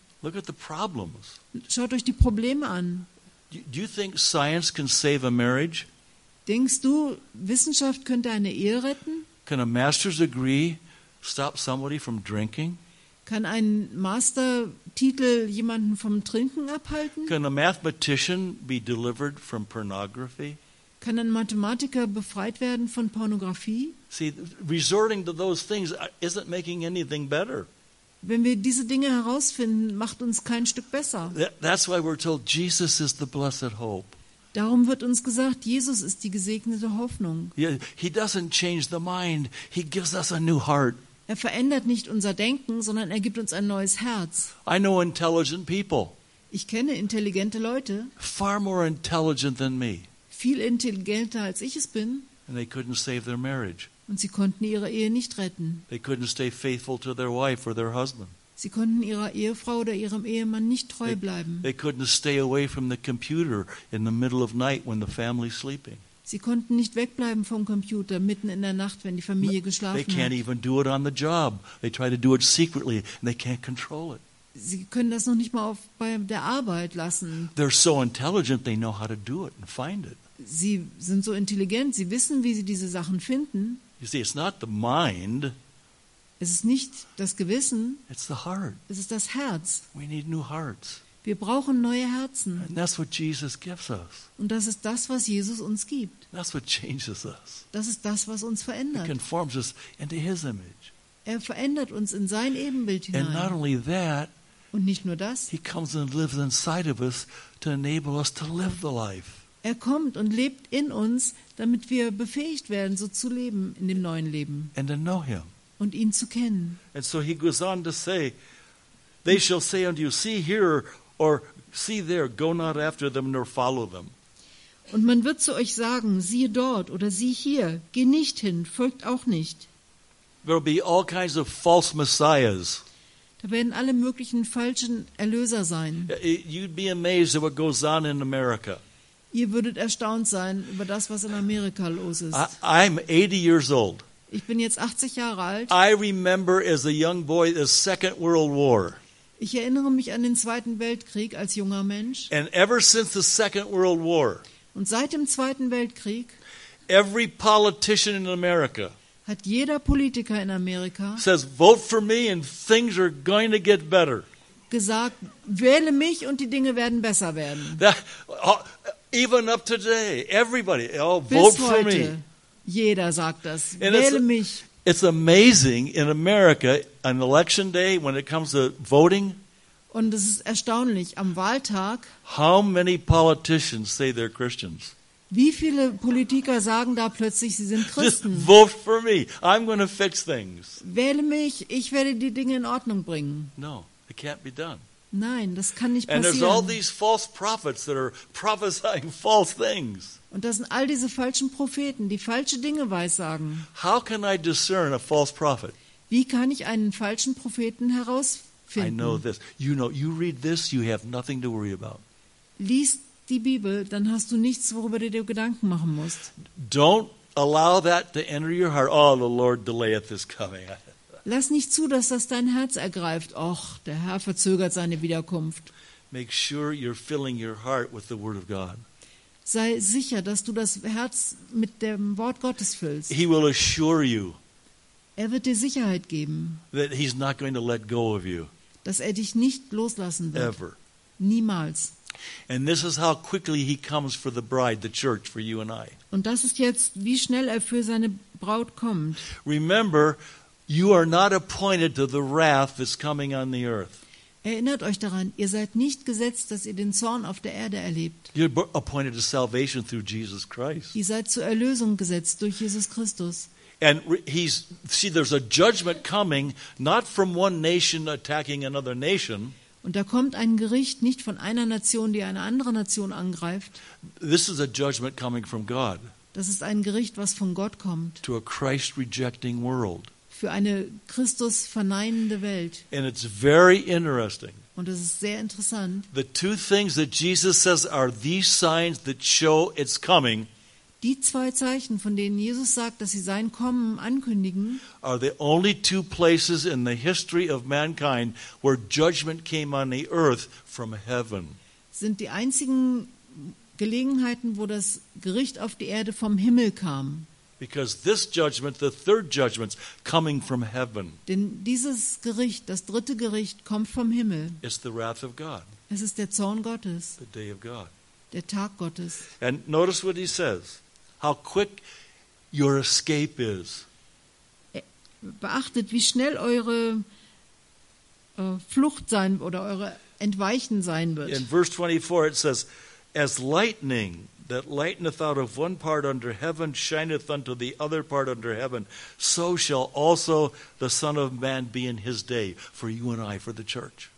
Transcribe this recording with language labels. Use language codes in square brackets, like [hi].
[en] Look at the problems. [de] Schaut euch die Probleme an. [en] Do you think science can save a marriage? [de] Denkst du, Wissenschaft könnte eine Ehe retten? [en] Can a master's degree stop somebody from drinking? [de] Kann ein Mastertitel jemanden vom Trinken abhalten? [en] Can a mathematician be delivered from pornography? [de] Kann ein Mathematiker befreit werden von Pornografie? [en] See, resorting to those things isn't making anything better. [de] Wenn wir diese Dinge herausfinden, macht uns kein Stück besser. [en] That's why we're told Jesus is the blessed hope. [de] Darum wird uns gesagt, Jesus ist die gesegnete Hoffnung. [en] Yeah, he doesn't change the mind, he gives us a new heart. [de] Er verändert nicht unser Denken, sondern er gibt uns ein neues Herz. [en] I know intelligent people. [de] Ich kenne intelligente Leute. [en] Far more intelligent than me. [de] Viel intelligenter als ich es bin. [en] And they couldn't save their marriage. [de] Und sie konnten ihre Ehe nicht retten. [en] They couldn't stay faithful to their wife or their husband. [de] Sie konnten ihrer Ehefrau oder ihrem Ehemann nicht treu bleiben. [en] They couldn't stay away from the computer in the middle of night when the family's sleeping. [de] Sie konnten nicht wegbleiben vom Computer mitten in der Nacht, wenn die Familie geschlafen hat. [en] They can't even do it on the job. They try to do it secretly and they can't control it. [de] Sie können das noch nicht mal auf bei der Arbeit lassen. [en] They're so intelligent, they know how to do it and find it. [de] Sie sind so intelligent, sie wissen, wie sie diese Sachen finden. [en] You see, it's not the mind. [de] Es ist nicht das Gewissen. [en] It's the heart. [de] Es ist das Herz. [en] We need new hearts. [de] Wir brauchen neue Herzen. [en] And that's what Jesus gives us. [de] Und das ist das, was Jesus uns gibt. [en] That's what changes us. [de] Das ist das, was uns verändert. [en] It conforms us into his image. [de] Er verändert uns in sein Ebenbild hinein. [en] And not only that, [de] und nicht nur das, [en] he comes and lives inside of us to enable us to live the life. [de] Er kommt und lebt in uns, damit wir befähigt werden, so zu leben in dem neuen Leben. [en] And to know him. [de] Und ihn zu kennen. [en] And so he goes on to say, they shall say unto you, see here or see there, go not after them nor follow them. [de] Und man wird zu euch sagen, siehe dort oder sieh hier, geh nicht hin, folgt auch nicht. [en] There will be all kinds of false messiahs. [de] Da werden alle möglichen falschen Erlöser sein. [en] You'd be amazed at what goes on in America. [de] Ihr würdet erstaunt sein über das, was in Amerika los ist. [en] I'm 80 years old. [de] Ich bin jetzt 80 Jahre alt. [en] I remember as a young boy the Second World War. [de] Ich erinnere mich an den Zweiten Weltkrieg als junger Mensch. [en] And ever since the Second World War. [de] Und seit dem Zweiten Weltkrieg. [en] Every politician in America. [de] Hat jeder Politiker in Amerika. [en] Says vote for me and things are going to get better. [de] Gesagt, wähle mich und die Dinge werden besser werden. [en] That, Even up today, everybody, oh, vote [de] heute, [en] for me. [de] Jeder sagt das. And wähle [en] it's, [de] mich. [en] It's amazing in America on election day when it comes to voting. [de] Und es ist erstaunlich am Wahltag. [en] How many politicians say they're Christians? [de] Wie viele Politiker sagen da plötzlich, sie sind Christen? [en] Just vote for me. I'm going to fix things. [de] Wähle mich. Ich werde die Dinge in Ordnung bringen. [en] No, it can't be done. [de] Nein, das kann nicht passieren. [en] And there's all these false prophets that are prophesying false things. [de] Und das sind all diese falschen Propheten, die falsche Dinge weissagen. [en] How can I discern a false prophet? [de] Wie kann ich einen falschen Propheten herausfinden? [en] I know this. You know, you read this, you have nothing to worry about. [de] Lies die Bibel, dann hast du nichts, worüber du dir Gedanken machen musst. [en] Don't allow that to enter your heart. Oh, the Lord delayeth his coming. [de] Lass nicht zu, dass das dein Herz ergreift. Och, der Herr verzögert seine Wiederkunft. [en] Make sure you're filling your heart with the word of God. [de] Sei sicher, dass du das Herz mit dem Wort Gottes füllst. [en] He will assure you. [de] Er wird dir Sicherheit geben. [en] That he's not going to let go of you. [de] Dass er dich nicht loslassen wird. [en] Ever. [de] Niemals. [en] And this is how quickly he comes for the bride, the church, for you and I. [de] Und das ist jetzt, wie schnell er für seine Braut kommt. [en] Remember, you are not appointed to the wrath that's coming on the earth. [de] Erinnert euch daran, ihr seid nicht gesetzt, dass ihr den Zorn auf der Erde erlebt. [en] You're appointed to salvation through Jesus Christ. [de] Ihr seid zur Erlösung gesetzt durch Jesus Christus. [en] And he's see, there's a judgment coming, not from one nation attacking another nation. [de] Und da kommt ein Gericht nicht von einer Nation, die eine andere Nation angreift. [en] This is a judgment coming from God. [de] Das ist ein Gericht, was von Gott kommt. [en] To a Christ-rejecting world. [de] Für eine Christus verneinende Welt. [en] And it's very interesting. [de] Und es ist sehr interessant. [en] The two things that Jesus says are these signs that show it's coming. [de] Die zwei Zeichen, von denen Jesus sagt, dass sie sein Kommen ankündigen, [en] are the only two places in the history of mankind where judgment came on the earth from heaven. [de] Sind die einzigen Gelegenheiten, wo das Gericht auf die Erde vom Himmel kam. [en] Because this judgment, the third judgment, coming from heaven. [de] Denn dieses Gericht, das dritte Gericht, kommt vom Himmel. [en] It's the wrath of God. [de] Es ist der Zorn Gottes. [en] The day of God. [de] Der Tag Gottes. [en] And notice what he says. How quick your escape is. [de] Beachtet, wie schnell eure Flucht sein oder eure Entweichen sein wird. [en] In verse 24 it says, as lightning that lighteneth out of one part under heaven, shineth unto the other part under heaven, so shall also the Son of Man be in his day, for you and I, for the church.